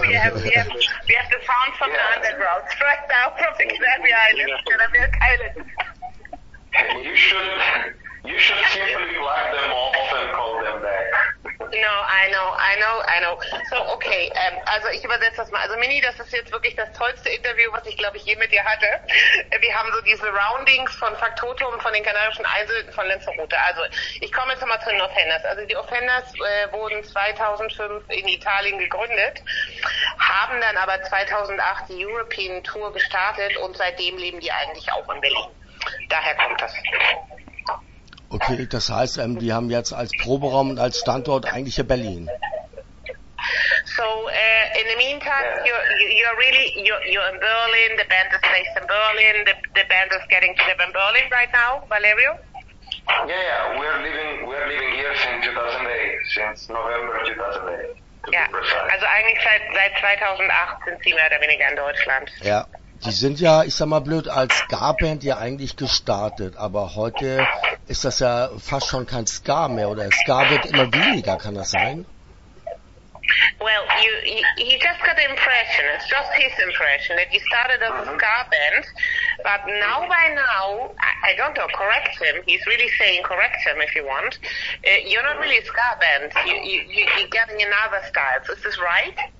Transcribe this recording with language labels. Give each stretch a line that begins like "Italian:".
English: We have the sound from the underground, right now from the Canary Islands, Canary Islands. You should simply block them off and call them back. No, I know.
German: So, okay, also ich übersetze das mal. Also Mini, das ist jetzt wirklich das tollste Interview, was ich, glaube ich, je mit dir hatte. Wir haben so diese Roundings von Faktotum, von den Kanarischen Inseln, von Lanzarote. Also ich komme jetzt nochmal zu den Offenders. Also die Offenders wurden 2005 in Italien gegründet, haben dann aber 2008 die European Tour gestartet und seitdem leben die eigentlich auch in Berlin. Daher kommt das. Okay, das heißt, die haben jetzt als Proberaum und als Standort eigentlich in Berlin.
English: So, in the meantime, you're in Berlin, the band is based in Berlin, the band is getting to live in Berlin right now, Valerio? Yeah, we're living here since 2008, since November 2008, to be precise.
German: Also eigentlich seit 2008 sind sie mehr oder weniger in Deutschland. Ja. Die sind ja, ich sag mal blöd, als Ska-Band ja eigentlich gestartet, aber heute ist das ja fast schon kein Ska mehr, oder Ska wird immer weniger, kann das sein?
English: Well, he just got the impression, it's just his impression, that you started as a ska band, but now by now, I don't know, correct him, he's really saying correct him if you want, you're not really a ska band, you're getting another style, so is this right?